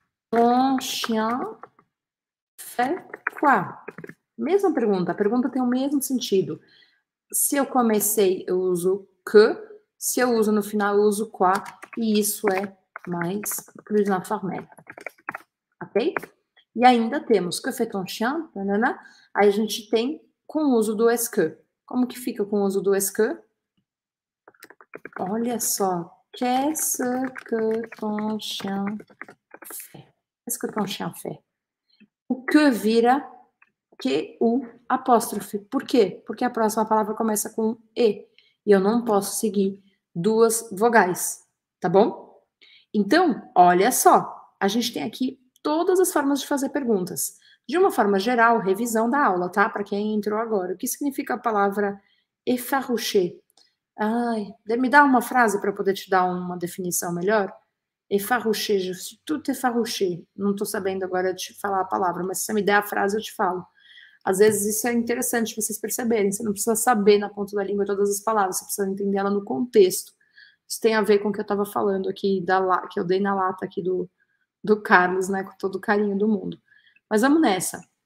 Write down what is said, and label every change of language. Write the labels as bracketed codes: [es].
[fr] Ton chien fait quoi? [pt] Mesma pergunta. A pergunta tem o mesmo sentido. Se eu comecei, eu uso que. Se eu uso no final, eu uso qua. E isso é mais [fr] plus informel. [pt] Ok? E ainda temos que [fr] fait ton chien. Nanana. [pt] Aí a gente tem com o uso do est-ce que. Como que fica com o uso do est-ce que? Olha só. [fr] Qu'est-ce que ton chien fait? Qu'est-ce que ton chien fait? [pt] O que vira QU apóstrofe. Por quê? Porque a próxima palavra começa com E. E eu não posso seguir duas vogais. Tá bom? Então, olha só. A gente tem aqui todas as formas de fazer perguntas. De uma forma geral, revisão da aula, tá? Para quem entrou agora. O que significa a palavra efarruché? Ai, me dá uma frase para poder te dar uma definição melhor? [fr] Efarruché, je suis tout efarruché. [pt] Não estou sabendo agora te falar a palavra, mas se você me der a frase, eu te falo. Às vezes isso é interessante vocês perceberem. Você não precisa saber na ponta da língua todas as palavras, você precisa entender ela no contexto. Isso tem a ver com o que eu estava falando aqui, que eu dei na lata aqui do Carlos, né? Com todo o carinho do mundo. Mas vamos nessa.